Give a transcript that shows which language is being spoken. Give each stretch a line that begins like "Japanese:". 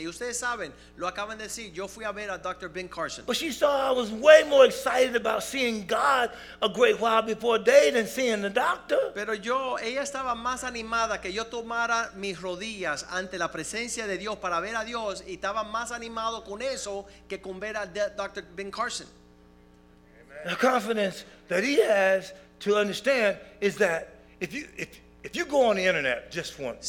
Spanish: Y ustedes saben, lo acaban de decir, yo fui a ver a Dr. Ben Carson.
English: But she saw I was way more excited about seeing God a great while before day than seeing the doctor.
Spanish: Pero yo, ella estaba más animada que yo tomara mis rodillas ante la presencia de Dios para ver a Dios, y estaba más animado con eso que con ver a Dr. Ben Carson.
English: Amen. The confidence that he has to understand is that if you go on the internet just once,